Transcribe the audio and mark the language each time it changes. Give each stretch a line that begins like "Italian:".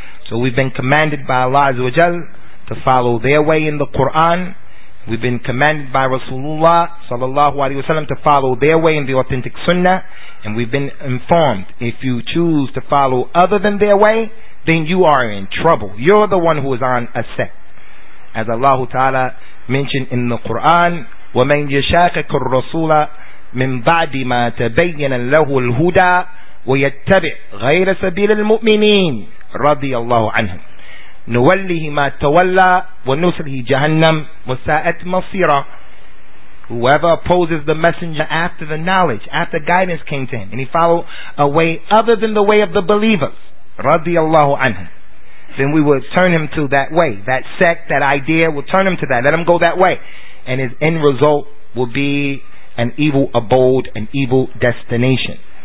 English: So we've been commanded by Allah Azza wa Jal to follow their way in the Quran. We've been commanded by Rasulullah sallallahu alaihi wasallam to follow their way in the authentic sunnah. And we've been informed, if you choose to follow other than their way, then you are in trouble. You're the one who is on a sect. As Allah Ta'ala mentioned in the Quran,
Arabic: وَمَنْ يَشَاقِكُ الرَّسُولَ مِنْ بَعْدِ مَا تَبَيَّنَ لَهُ الْهُدَى وَيَتَّبِعْ غَيْرَ سَبِيلِ الْمُؤْمِنِينَ رَضِيَ اللَّهُ عَنْهُمْ نُوَلِّهِ مَا تَوَلَّى وَنُسْلِهِ جَهَنَّمْ وَسَاءَتْ مَصِيرًا.
English: Whoever opposes the messenger after the knowledge, after guidance came to him, and he followed a way other than the way of the believers,
Arabic: رَضِيَ اللَّهُ عَنْهُمْ,
English: then we will turn him to that way. That sect, that idea, will turn him to that. Let him go that way. And his end result will be an evil abode, an evil destination.